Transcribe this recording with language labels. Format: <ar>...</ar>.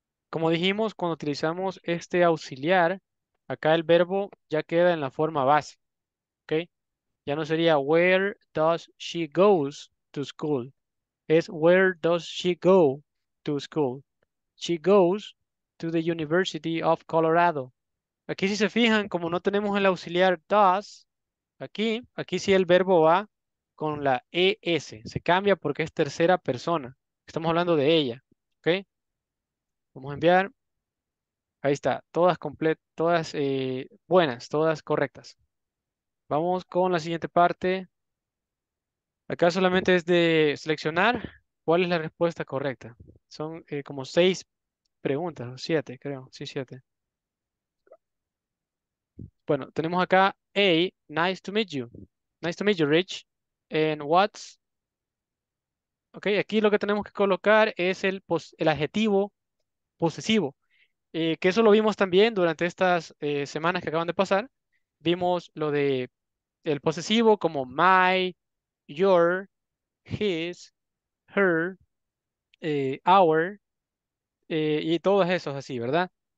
<es>Como dijimos, cuando utilizamos este auxiliar, acá el verbo ya queda en la forma base. ¿Okay? Ya no sería</es> <en>where does she goes to school. Es where does she go to school. She goes to the University of Colorado.</en> <es>Aquí si se fijan, como no tenemos el auxiliar does, Aquí sí el verbo va con la ES, se cambia porque es tercera persona. Estamos hablando de ella, ¿ok? Vamos a enviar. Ahí está, todas completas, todas buenas, todas correctas. Vamos con la siguiente parte. Acá solamente es de seleccionar cuál es la respuesta correcta. Son como seis preguntas, o siete, creo. Sí, siete. Bueno, tenemos acá A,</es> <en>nice to meet you. Nice to meet you, Rich. And what's.</en> <es>Ok, aquí lo que tenemos que colocar es el adjetivo posesivo. Que eso lo vimos también durante estas semanas que acaban de pasar. Vimos lo de el posesivo como my, your, his, her, our, y todos esos así, ¿verdad?</es>